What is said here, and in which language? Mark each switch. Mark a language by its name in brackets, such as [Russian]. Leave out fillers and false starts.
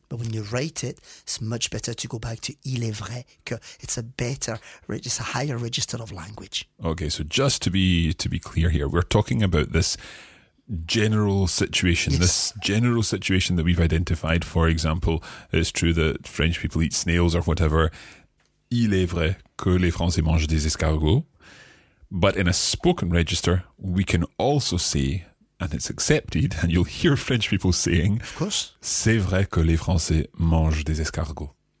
[English] But when you write it, it's much better to go back to [French] il est vrai que. [English] It's a better, it's a higher register of language. Okay, so just to be clear here, we're talking about this general situation. Yes. This general situation that we've identified, for example, it's true that French people eat snails or whatever. [French] Il est vrai que les Français mangent des escargots. [English] But in a spoken register, we can also say, and it's accepted, and you'll hear French people saying, of course, [French] c'est vrai que les Français mangent des escargots.